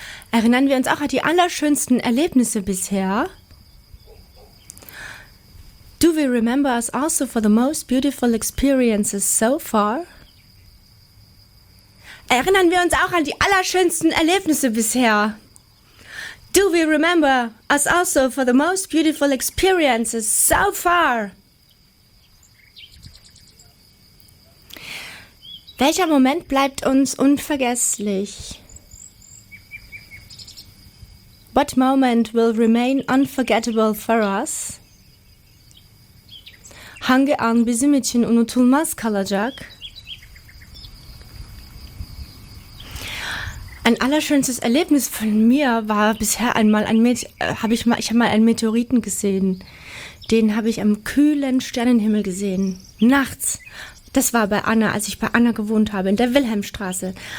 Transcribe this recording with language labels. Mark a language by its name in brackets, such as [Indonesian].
[German] Erinnern wir uns auch an die allerschönsten Erlebnisse bisher? [English] Do we remember us also for the most beautiful experiences so far? [German] Erinnern wir uns auch an die allerschönsten Erlebnisse bisher? [English] Do we remember us also for the most beautiful experiences so far? [German] Welcher Moment bleibt uns unvergesslich? [English] What moment will remain unforgettable for us? [Turkish] Hangi an bizim için unutulmaz kalacak? [German] Ein allerschönstes Erlebnis von mir war bisher einmal ich habe mal einen Meteoriten gesehen. Den habe ich am kühlen Sternenhimmel gesehen. Nachts. Das war bei Anna, als ich bei Anna gewohnt habe, in der Wilhelmstraße.